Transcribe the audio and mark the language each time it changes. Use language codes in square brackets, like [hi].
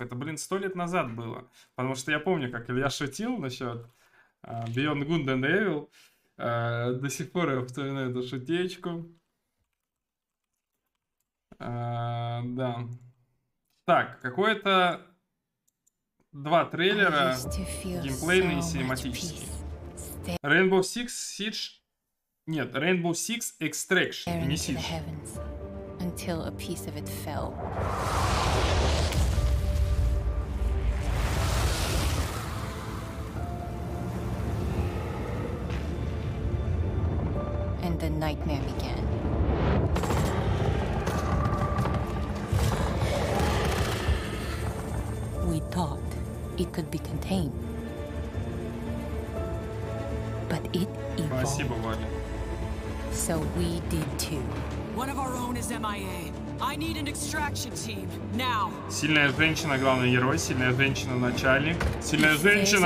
[ru] Это, блин, 100 лет назад было. Потому что я помню, как Илья шутил насчет Beyond Good and Devil. До сих пор я вспоминаю эту шутечку. Да. Так, какое-то... Два трейлера, геймплейные и синематические. Rainbow Six Siege... Нет, Rainbow Six Extraction, не Siege. [en] Until a piece of it fell. And the nightmare began. We thought. It could be contained. But it evolved. [ru] Спасибо, Ваня. [en] So we did too. One of our own is MIA. I need an extraction team. Now. [ru] Сильная женщина главный герой, сильная женщина начальник, сильная женщина.